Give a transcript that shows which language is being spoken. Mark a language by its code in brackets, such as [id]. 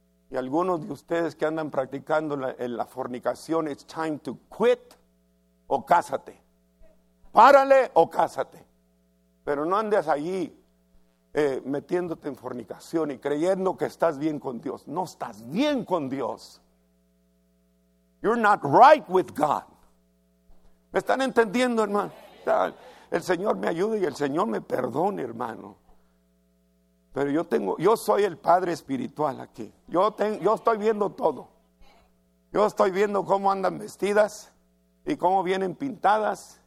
[es] Y algunos de ustedes que andan practicando la fornicación, [en] it's time to quit [es] o cásate. Párale o cásate. Pero no andes allí metiéndote en fornicación y creyendo que estás bien con Dios. No estás bien con Dios. [en] You're not right with God. [es] ¿Me están entendiendo, hermano? El Señor me ayude y el Señor me perdone, hermano. Pero yo soy el padre espiritual aquí. Yo estoy viendo todo. Yo estoy viendo cómo andan vestidas y cómo vienen pintadas.